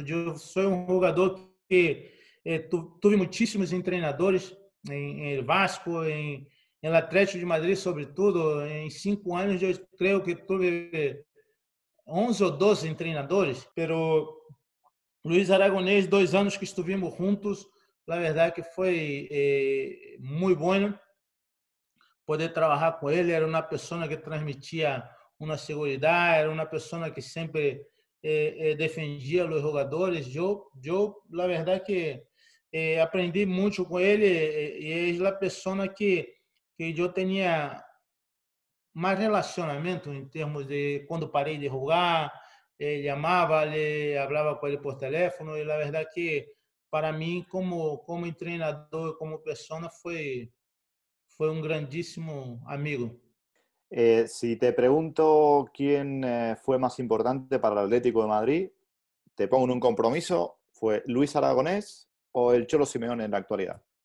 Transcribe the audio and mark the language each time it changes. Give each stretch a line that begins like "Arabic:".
Spanish: Yo soy un jugador que tuve muchísimos entrenadores en el Vasco, en el Atlético de Madrid, sobretudo. En 5 años yo creo que tuve 11 o 12 entrenadores, pero Luis Aragonés, 2 años que estuvimos juntos, la verdad que fue muy bueno.
Portuguese: Poder trabalhar com ele, era uma pessoa que transmitia uma segurança, era uma pessoa que sempre defendia os jogadores. Eu, na verdade, que aprendi muito com ele e é a pessoa que eu tinha mais relacionamento em termos de quando parei de jogar, ele amava, ele falava com ele por telefone, e na verdade que para mim como treinador, como pessoa foi um grandíssimo amigo.
Spanish: Si te pregunto quién fue más importante para el Atlético de Madrid, te pongo en un compromiso, ¿fue Luis Aragonés o el Cholo Simeone en la actualidad?